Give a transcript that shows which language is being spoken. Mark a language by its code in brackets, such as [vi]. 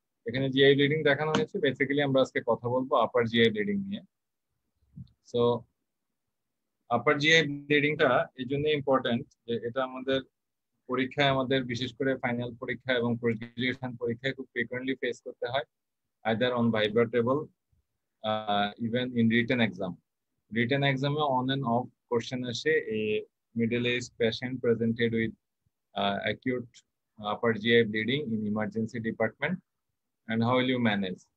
[bn] এখানে GI bleeding দেখানো হয়েছে, basically আমরা আজকে কথা বলবো upper GI bleeding নিয়ে. So upper GI bleeding টা এই জন্য important যে এটা আমাদের পরীক্ষায়, আমাদের বিশেষ করে final পরীক্ষা এবং graduation পরীক্ষায় খুব frequently face করতে হয়, [en] either on viva table, even in written exam. Written এক্সামে on end of question আসে, a middle age patient presented with acute upper GI bleeding in emergency department and how will you manage.